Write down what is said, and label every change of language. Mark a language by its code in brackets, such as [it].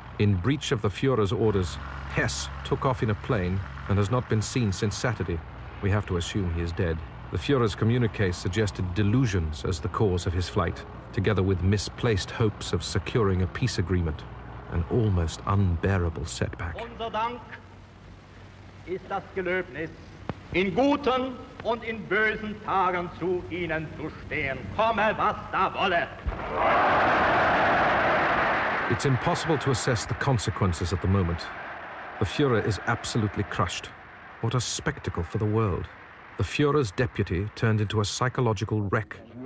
[en] In breach of the Führer's orders, Hess took off in a plane and has not been seen since Saturday. We have to assume he is dead. The Führer's communique suggested delusions as the cause of his flight, together with misplaced hopes of securing a peace agreement, an almost unbearable setback. [de] Unser Dank ist das Gelöbnis, in guten und in bösen Tagen zu Ihnen zu stehen, komme was da wolle. [en] It's impossible to assess the consequences at the moment. The Führer is absolutely crushed. What a spectacle for the world. The Führer's deputy turned into a psychological wreck.